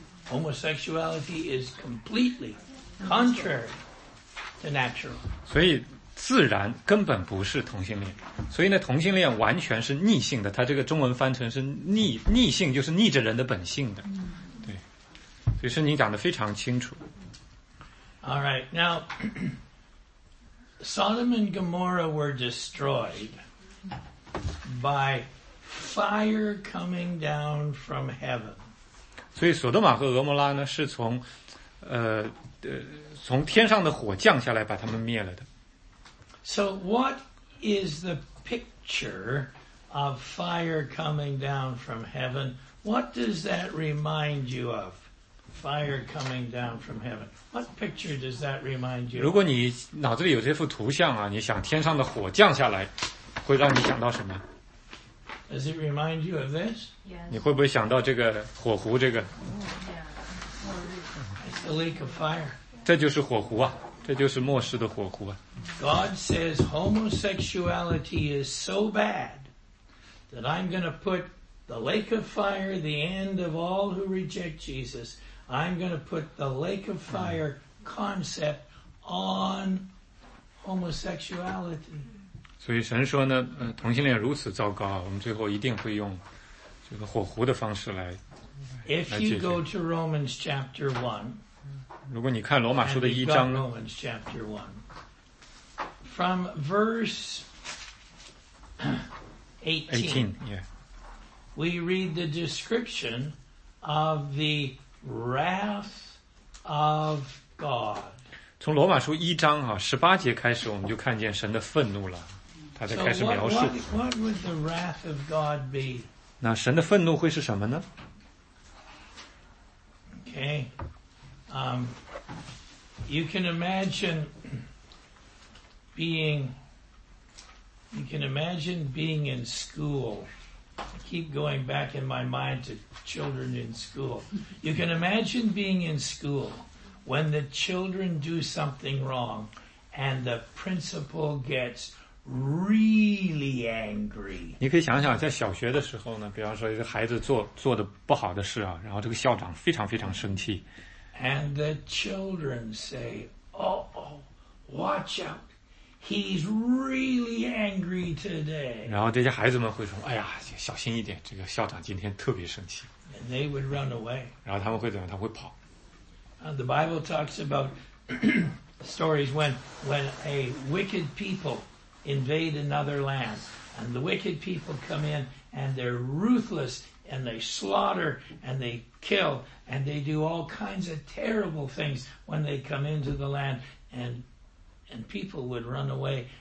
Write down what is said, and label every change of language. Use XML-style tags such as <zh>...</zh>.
<en>Homosexuality is completely contrary to natural.</en> <zh>所以自然根本不是同性恋。所以呢同性恋完全是逆性的。它这个中文翻成是逆性就是逆着人的本性的。对。所以圣经讲得非常清楚。</zh> <en>All right, now, Sodom and Gomorrah were destroyed. By fire coming down from heaven.</en> <zh>所以索多玛和俄摩拉呢是从从天上的火降下来把他们灭了的。</zh> <en>So what is the picture of fire coming down from heaven? What does that remind you of? Fire coming down from heaven. What picture does that remind you of?</en> <zh>如果你脑子里有这幅图像啊你想天上的火降下来会让你想到什么</zh> <en>Does it remind you of this? Yes.</en> <zh>你会不会想到这个火湖这个</zh> <en>It's the lake of fire.</en> <zh>这就是火湖啊这就是末世的火湖啊</zh> <en>God says homosexuality is so bad that I'm going to put the lake of fire, the end of all who reject Jesus, I'm going to put the lake of fire concept on homosexuality.</en> <zh>所以神说呢，同性恋如此糟糕，我们最后一定会用这个火狐的方式来。</zh> <en>If you go to Romans chapter 1,</en> <zh>如果你看罗马书的一章</zh> <en>，Romans chapter 1, from verse 18, we read the description of the wrath of God.</en> <zh>从罗马书一章啊十八节开始，我们就看见神的愤怒了。</zh> <en>So what would the wrath of God be?</en> <zh>那神的愤怒会是什么呢？</zh> <en>Okay. You can imagine being, in school. I keep going back in my mind to children in school. You can imagine being in school when the children do something wrong and the principal gets really angry.</en> <zh>你可以想想，在小学的时候呢，比方说一个孩子做的不好的事啊，然后这个校长非常非常生气。</zh> <en>And the children say, "Oh, watch out! He's really angry today."</en> <zh>然后这些孩子们会说：“哎呀，小心一点，这个校长今天特别生气。</zh> <en>”And they would run away.</en> <zh>然后他们会怎么样？他会跑。</zh> <en>And the Bible talks about stories when a wicked people invade another land, and the wicked people come in, and they're ruthless, and they slaughter, and they kill, and they do all kinds of terrible things when they come into the land, and people would run away.</en>